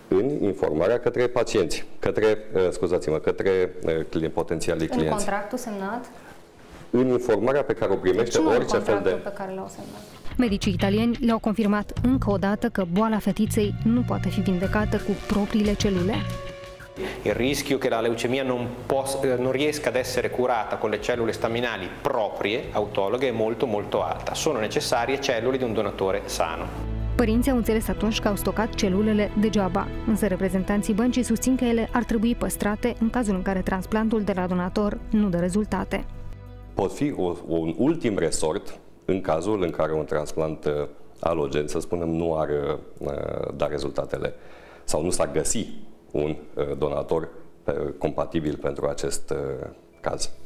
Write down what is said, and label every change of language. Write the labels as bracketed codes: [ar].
[ro] În informarea către pacienți, către potențialii în clienți. În contractul semnat? În informarea pe care o primește deci orice fel de... Pe care l-au semnat? Medicii italieni le-au confirmat încă o dată că boala fetiței nu poate fi vindecată cu propriile celule. [it] Il rischio che la leucemia non riesca ad essere curata con le cellule staminali proprie, autologhe, è molto molto alta. Sono necessarie cellule di un donatore sano. [ro] Părinții au înțeles atunci că au stocat celulele degeaba, însă reprezentanții băncii susțin că ele ar trebui păstrate în cazul în care transplantul de la donator nu dă rezultate. Pot fi un ultim resort în cazul în care un transplant alogen, să spunem, nu ar da rezultatele sau nu s-ar găsi un donator compatibil pentru acest caz.